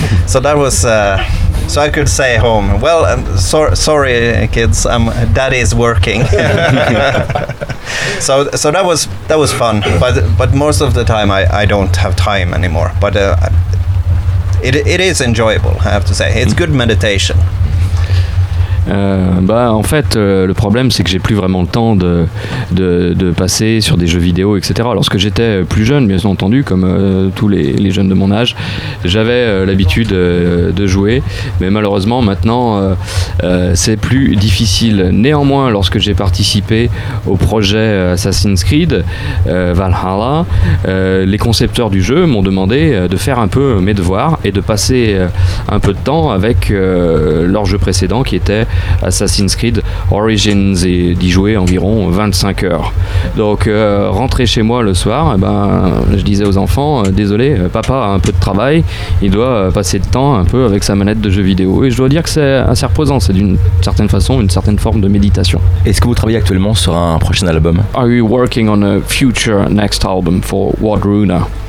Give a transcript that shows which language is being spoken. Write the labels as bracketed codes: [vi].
[en] So that was, so I could say home, well, sorry kids, daddy is working. So that was fun, but most of the time I don't have time anymore. But it is enjoyable, I have to say. It's good meditation. [fr] Le problème, c'est que j'ai plus vraiment le temps de passer sur des jeux vidéo, etc. Lorsque j'étais plus jeune, bien entendu, comme tous les jeunes de mon âge, j'avais l'habitude de jouer, mais malheureusement maintenant c'est plus difficile. Néanmoins, lorsque j'ai participé au projet Assassin's Creed Valhalla, les concepteurs du jeu m'ont demandé de faire un peu mes devoirs et de passer un peu de temps avec leur jeu précédent qui était Assassin's Creed Origins et d'y jouer environ 25 heures. Donc rentré chez moi le soir, je disais aux enfants, désolé, papa a un peu de travail, il doit passer de temps un peu avec sa manette de jeux vidéo. Et je dois dire que c'est assez reposant, c'est d'une certaine façon une certaine forme de méditation. Est-ce que vous travaillez actuellement sur un prochain album? [en] Are you working on a future next album for Vardruna?